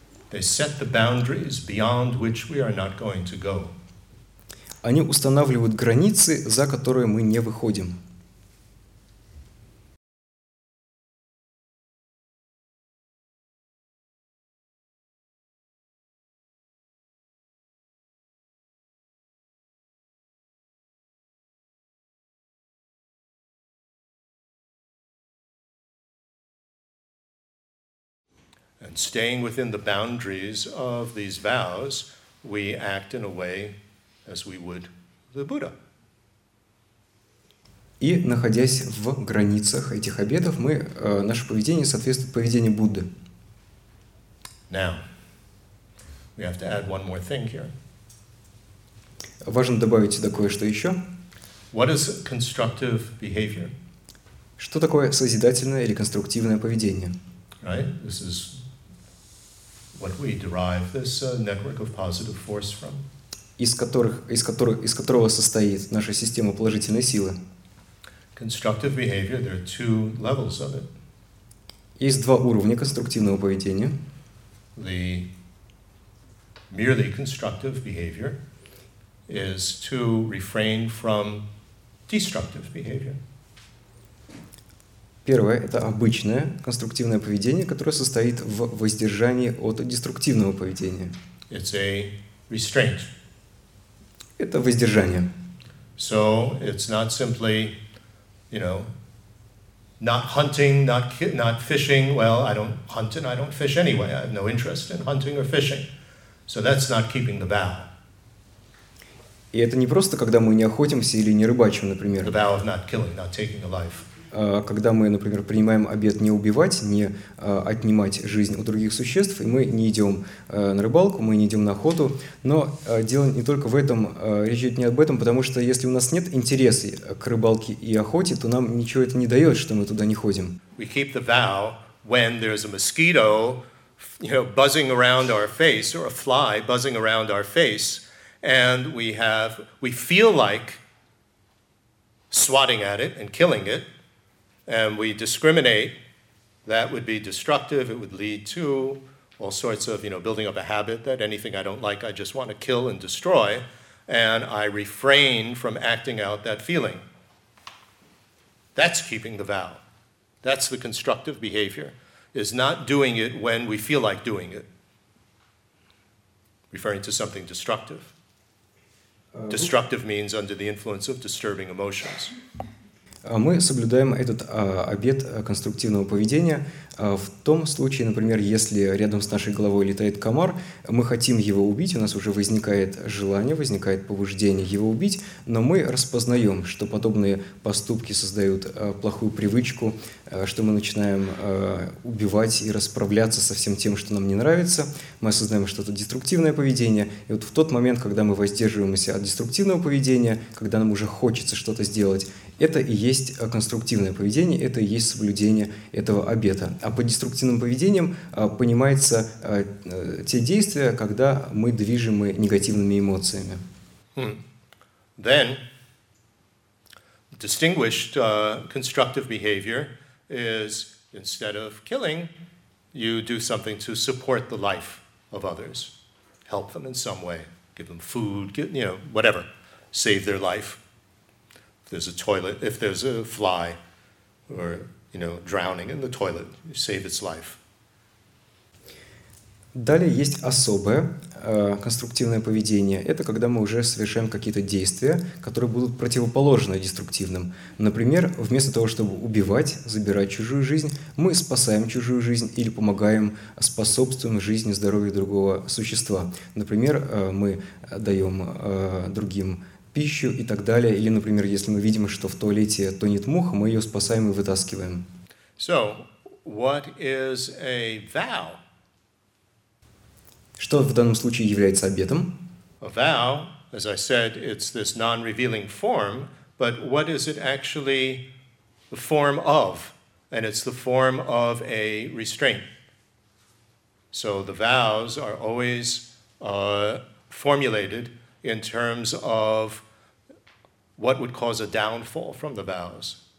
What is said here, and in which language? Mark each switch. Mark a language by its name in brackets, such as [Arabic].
[English] They set the boundaries beyond which we are not going to go. [Russian] Они устанавливают границы, за которые мы не выходим. [English] And staying within the boundaries of these vows, we act in a way as we would the Buddha. [Russian] И находясь в границах этих обетов, мы наше поведение соответствует поведению Будды. [English] Now, we have to add one more thing here. [Russian] Важно добавить сюда кое-что еще. [English] What is constructive behavior? [Russian] Что такое созидательное или конструктивное поведение? [English] Right? This is what we derive this network of positive force from. [Russian] Из которого состоит наша система положительной силы. [English] Constructive behavior, there are two levels of it. [Russian] Есть два уровня конструктивного поведения. [English] The merely constructive behavior is to refrain from destructive behavior. [Russian] Первое – это обычное конструктивное поведение, которое состоит в воздержании от деструктивного поведения. [English] It's a restraint. [Russian] Это воздержание. [English] So it's not simply, you know, not hunting, not fishing. Well, I don't hunt and I don't fish anyway. I have no interest in hunting or fishing. So that's not keeping the vow. [Russian] И это не просто, когда мы не охотимся или не рыбачим, например. [English] The vow of not killing, not taking a life. [Russian] Когда мы, например, принимаем обет не убивать, не отнимать жизнь у других существ, и мы не идем на рыбалку, мы не идем на охоту. Но дело не только в этом, речь идет не об этом, потому что если у нас нет интереса к рыбалке и охоте, то нам ничего это не дает, что мы туда не ходим. [English] We keep the vow when there's a mosquito, you know, buzzing around our face, or a fly buzzing around our face, and we feel like swatting at it and killing it. And we discriminate, that would be destructive, it would lead to all sorts of, you know, building up a habit that anything I don't like, I just want to kill and destroy, and I refrain from acting out that feeling. That's keeping the vow. That's the constructive behavior, is not doing it when we feel like doing it. Referring to something destructive. Destructive means under the influence of disturbing emotions. [Russian] Мы соблюдаем этот обет конструктивного поведения в том случае, например, если рядом с нашей головой летает комар, мы хотим его убить, у нас уже возникает желание, возникает побуждение его убить, но мы распознаем, что подобные поступки создают плохую привычку, что мы начинаем убивать и расправляться со всем тем, что нам не нравится, мы осознаем, что это деструктивное поведение, и вот в тот момент, когда мы воздерживаемся от деструктивного поведения, когда нам уже хочется что-то сделать, это и есть конструктивное поведение, это и есть соблюдение этого обета. А под деструктивным поведением понимаются те действия, когда мы движимы негативными эмоциями. [English] Then, distinguished constructive behavior is, instead of killing, you do something to support the life of others. Help them in some way, give them food, give, you know, whatever, save their life. There's a toilet, if there's a fly or, you know, drowning in the toilet, you save its life. [Russian] Далее есть особое конструктивное поведение. Это когда мы уже совершаем какие-то действия, которые будут противоположны деструктивным. Например, вместо того, чтобы убивать, забирать чужую жизнь, мы спасаем чужую жизнь или помогаем, способствуем жизни, здоровью другого существа. Например, мы даем другим пищу и так далее. Или, например, если мы видим, что в туалете тонет муха, мы ее спасаем и вытаскиваем. [English] So, what is a vow? [Russian] Что в данном случае является обетом? [English] A vow, as I said, it's this non-revealing form, but what is it actually the form of? And it's the form of a restraint. So, the vows are always formulated in terms of what would cause a downfall from the vows.